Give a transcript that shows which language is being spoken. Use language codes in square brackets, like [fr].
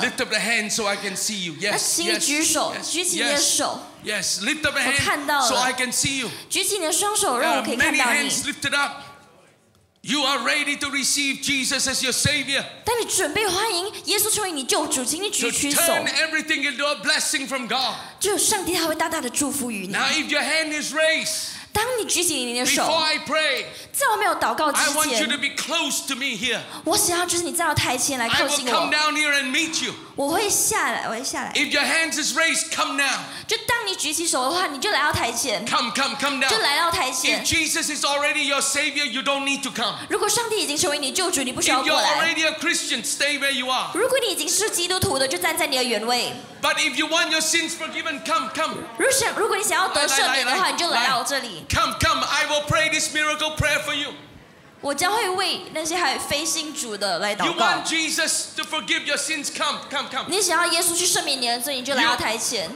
[en] lift up the hand so I can see you. Yes, [zh] 请你举手, [en] yes, [zh] 举起你的手, [en] yes, lift up a hand [zh] 我看到了, [en] so I can see you. [zh] 举起你的双手, [en] many hands lifted up. You are ready to receive Jesus as your Savior. [zh] 当你准备欢迎耶稣成为你救主, 请你举起手, [en] to turn everything into a blessing from God. [zh] 只有上帝他会大大的祝福于你。 [en] Now if your hand is raised, [zh] 当你举起你的手, [en] before I pray, [zh] 在我没有祷告之前, [en] I want you to be close to me here. [zh] 我想要就是你站到台前来靠近我。 [en] I will come down here and meet you. [zh] 我会下来。 [en] If your hands is raised, come now. [zh] 就当你举起手的话, 你就来到台前。 [en] Come down. [zh] 就来到台前。 [en] If Jesus is already your Savior, you don't need to come. [zh] 如果上帝已经成为你救主, 你不需要过来。 [en] If you're already a Christian, stay where you are. [zh] 如果你已经是基督徒的, 就站在你的原位。 [en] But if you want your sins forgiven, come. [zh] 如果你想要得赦免的话, 你就来到这里。 [en] Come, I will pray this miracle prayer for you. [zh] 我将会为那些还非信主的来祷告。 [en] You want Jesus to forgive your sins? Come. [zh] 你想要耶稣去赦免你的罪, 你就来到台前。